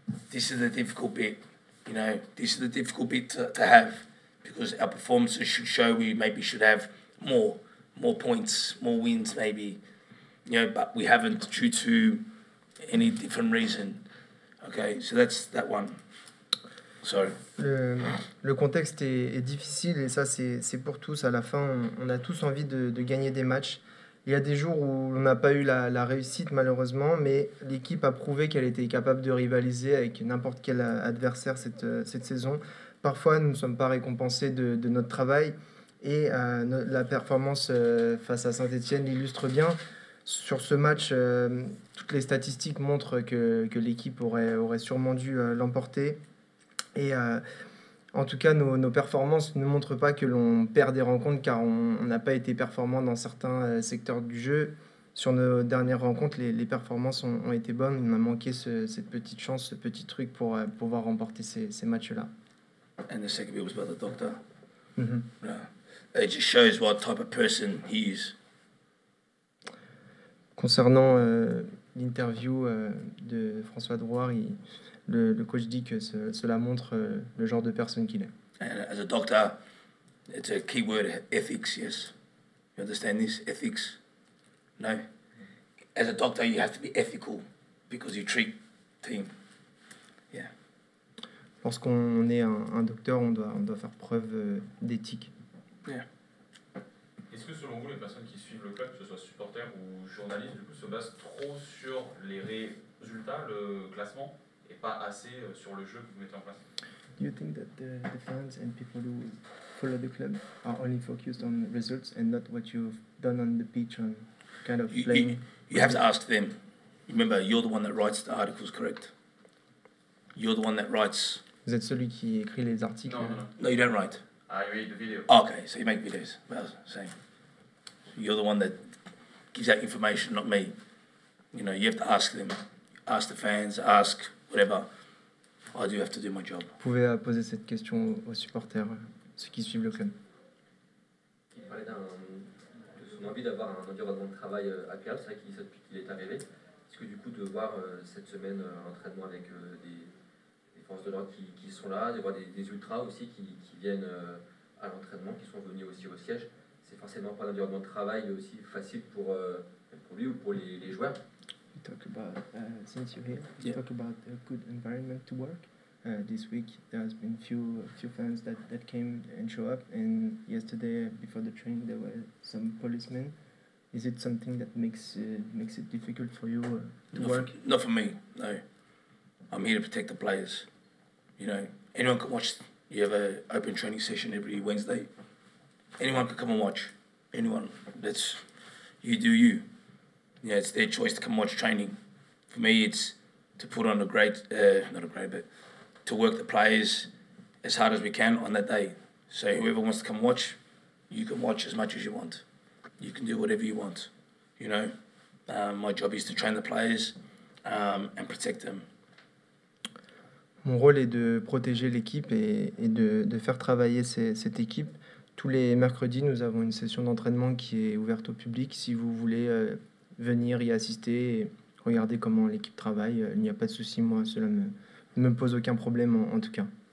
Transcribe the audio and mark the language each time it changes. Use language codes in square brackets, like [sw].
[en] This is the difficult bit, you know. This is the difficult bit to have, because our performances should show we maybe should have more points, more wins maybe, you know, but we haven't due to any different reason. Okay, so that's that one. [fr] Le contexte est difficile, et ça c'est pour tous. À la fin, on a tous envie de gagner des matchs. Il y a des jours où on n'a pas eu la réussite malheureusement, mais l'équipe a prouvé qu'elle était capable de rivaliser avec n'importe quel adversaire cette saison. Parfois, nous ne sommes pas récompensés de notre travail, et la performance face à Saint-Étienne l'illustre bien. Sur ce match, toutes les statistiques montrent que l'équipe aurait sûrement dû l'emporter. Et en tout cas, nos performances ne montrent pas que l'on perd des rencontres, car on n'a pas été performant dans certains secteurs du jeu. Sur nos dernières rencontres, les performances ont été bonnes. On a manqué cette petite chance, ce petit truc pour pouvoir remporter ces matchs-là. [en] And the second bit was about the doctor. Mm-hmm. It just shows what type of person he is. [fr] Concernant l'interview de François Drouard, Le coach dit que cela montre le genre de personne qu'il est. [en] And as a doctor, it's a key word, ethics, yes. You understand this? Ethics? No? As a doctor, you have to be ethical because you treat team. Yeah. [fr] Lorsqu'on est un docteur, on doit faire preuve d'éthique. [en] Yeah. [fr] Est-ce que selon vous, les personnes qui suivent le club, que ce soit supporters ou journalistes, du coup, se basent trop sur les résultats, le classement ? Et pas assez sur le jeu que vous mettez en place. [en] Do you think that the fans and people who follow the club are only focused on results and not what you've done on the pitch, on kind of playing? You have to ask them. Remember, you're the one that writes the articles, correct? You're the one that writes. [fr] Vous êtes celui qui écrit les articles. Non, non, non. [en] No, you don't write. I read the video. Okay, so you make videos. Well, same. You're the one that gives out information, not me. You know, you have to ask them, ask the fans, ask whatever. I do have to do my job. [fr] Vous pouvez poser cette question aux supporters, ceux qui suivent le club. Il parlait de son envie d'avoir un environnement de travail agréable, c'est vrai qu'il dit ça depuis qu'il est arrivé. Est-ce que du coup, de voir cette semaine entraînement avec des forces de l'ordre qui sont là, de voir des ultras aussi qui viennent à l'entraînement, qui sont venus aussi au siège, c'est forcément pas un environnement de travail aussi facile pour lui ou pour les joueurs? [en] You talk about, since you're here, you talk about a good environment to work. This week, there has been few fans that came and show up, and yesterday, before the training, there were some policemen. Is it something that makes it difficult for you to not work? Not for me, no. I'm here to protect the players. You know, anyone can watch. You have a open training session every Wednesday. Anyone can come and watch. Anyone. That's you do you. Yeah, it's their choice to come watch training. For me, it's to put on a great, not a great, but to work the players as hard as we can on that day. So whoever wants to come watch, you can watch as much as you want. You can do whatever you want, you know. My job is to train the players and protect them. [fr] Mon rôle est de protéger l'équipe et de faire travailler cette équipe. Tous les mercredis, nous avons une session d'entraînement qui est ouverte au public. Si vous voulez venir y assister et regarder comment l'équipe travaille, il n'y a pas de souci. Moi, cela ne me pose aucun problème en tout cas.